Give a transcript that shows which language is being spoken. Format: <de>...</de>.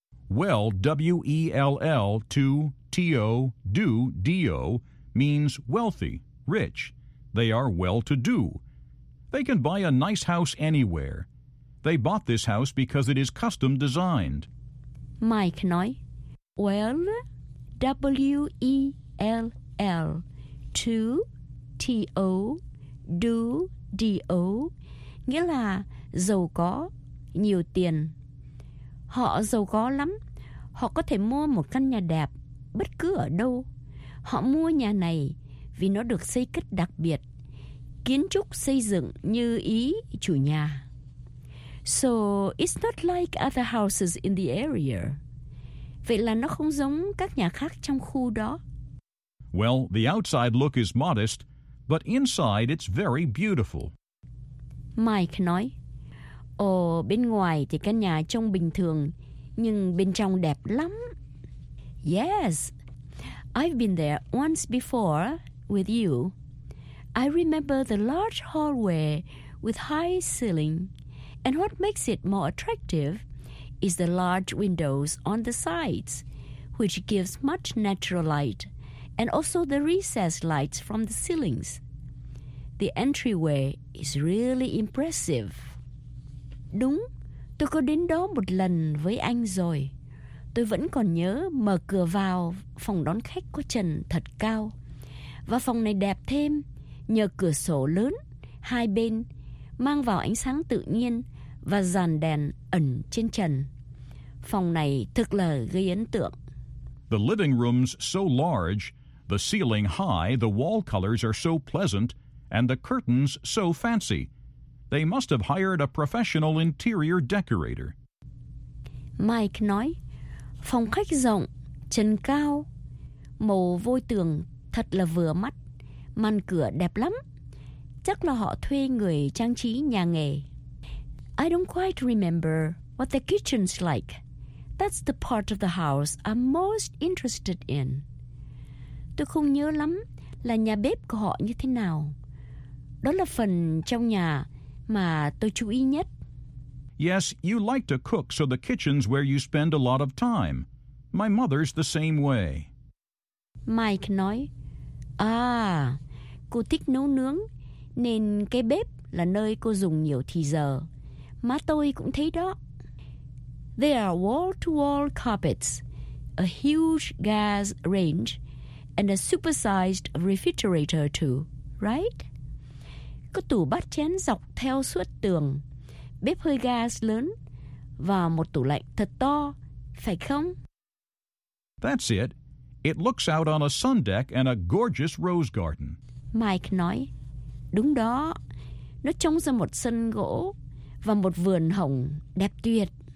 <en>well, W-E-L-L, to, T-O, do, D-O, means wealthy, rich. They are well-to-do. They can buy a nice house anywhere. They bought this house because it is custom designed.</en> <vi>Mike nói, well, W-E-L-L, to, T-O, do, D-O, nghĩa là giàu có, nhiều tiền. Họ giàu có lắm. Họ có thể mua một căn nhà đẹp bất cứ ở đâu. Họ mua nhà này vì nó được xây cất đặc biệt, kiến trúc xây dựng như ý chủ nhà.</vi> <en>So, it's not like other houses in the area.</en> <vi>Vậy là nó không giống các nhà khác trong khu đó.</vi> <en>Well, the outside look is modest, but inside it's very beautiful.</en> <vi>Mike nói, ồ, bên ngoài thì căn nhà trông bình thường, nhưng bên trong đẹp lắm.</vi> <en>Yes, I've been there once before with you. I remember the large hallway with high ceiling. And what makes it more attractive is the large windows on the sides, which gives much natural light, and also the recessed lights from the ceilings. The entryway is really impressive.</en> <vi>Đúng, tôi có đến đó một lần với anh rồi. Tôi vẫn còn nhớ mở cửa vào phòng đón khách có trần thật cao. Và phòng này đẹp thêm nhờ cửa sổ lớn hai bên mang vào ánh sáng tự nhiên và dàn đèn ẩn trên trần. Phòng này thực là gây ấn tượng.</vi> <en>The living room's so large, the ceiling high, the wall colors are so pleasant, and the curtains so fancy. They must have hired a professional interior decorator.</en> <vi>Mike nói, phòng khách rộng, trần cao, màu vôi tường thật là vừa mắt, màn cửa đẹp lắm. Chắc là họ thuê người trang trí nhà nghề.</vi> <en>I don't quite remember what the kitchen's like. That's the part of the house I'm most interested in.</en> <vi>Tôi không nhớ lắm là nhà bếp của họ như thế nào. Đó là phần trong nhà mà tôi chú ý nhất.</vi> <en>Yes, you like to cook, so the kitchen's where you spend a lot of time. My mother's the same way.</en> <vi>Mike nói, cô thích nấu nướng, nên cái bếp là nơi cô dùng nhiều thì giờ. Má tôi cũng thấy đó.</vi> <en>There are wall-to-wall carpets, a huge gas range, and a supersized refrigerator too, right?</en> <vi>Có tủ bát chén dọc theo suốt tường, bếp hơi gas lớn, và một tủ lạnh thật to, phải không?</vi> <en>That's it. It looks out on a sun deck and a gorgeous rose garden.</en> <vi>Mike nói, đúng đó, nó trông ra một sân gỗ và một vườn hồng đẹp tuyệt.</vi>